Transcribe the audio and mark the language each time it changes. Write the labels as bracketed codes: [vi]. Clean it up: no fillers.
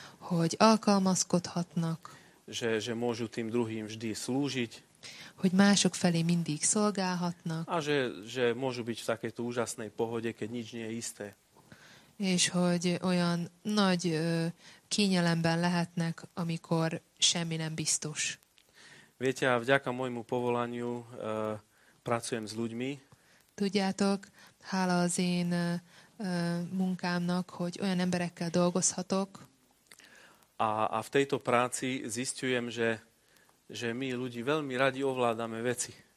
[hu] Hogy alkalmazkodhatnak. [sk] Že môžu tým druhým vždy slúžiť. [hu] Hogy mások felé mindig szolgálhatnak. [sk] A že môžu byť v takejto úžasnej pohode, keď nič nie je isté. [hu] És hogy olyan nagy kényelemben lehetnek, amikor semmi nem biztos. [sk] Viete, a vďaka môjmu povolaniu pracujem s ľuďmi. [hu] Tudjátok, hála az én munkámnak, hogy olyan emberekkel dolgozhatok. [sk] A v tejto práci zisťujem, že my ľudí veľmi radi ovládame veci.